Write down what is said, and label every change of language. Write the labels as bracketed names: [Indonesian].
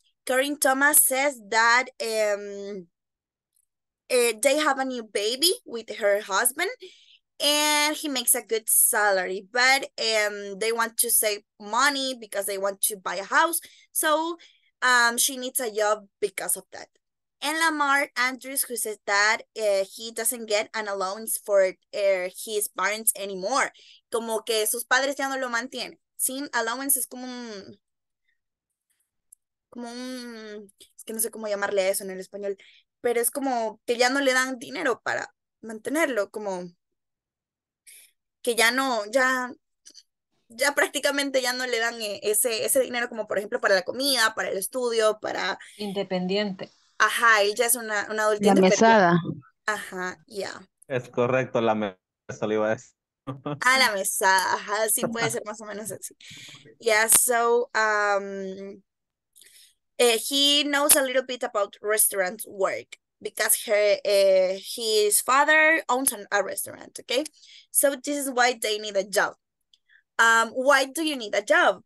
[English] Kerin Thomas says that they have a new baby with her husband, and he makes a good salary, but they want to save money because they want to buy a house. So she needs a job because of that. And Lamar Andrews, who says that he doesn't get an allowance for his parents anymore. [Spanish] Como que sus padres ya no lo mantienen. Sin allowance es como un... Es que no sé cómo llamarle eso en el español. Pero es como que ya no le dan dinero para mantenerlo, como... Que ya no, ya prácticamente ya no le dan ese dinero, como por ejemplo para la comida, para el estudio, para... Independiente. Ajá, él ya es una adulta independiente. La mesada. Ajá, ya. Yeah. Es correcto, la mesada, lo iba a decir. Ah, la mesada, ajá, sí puede ser más o menos así. [English] Yeah, so, he knows a little bit about restaurant work. Because his father owns a restaurant, okay? So this is why they need a job. Why do you need a job?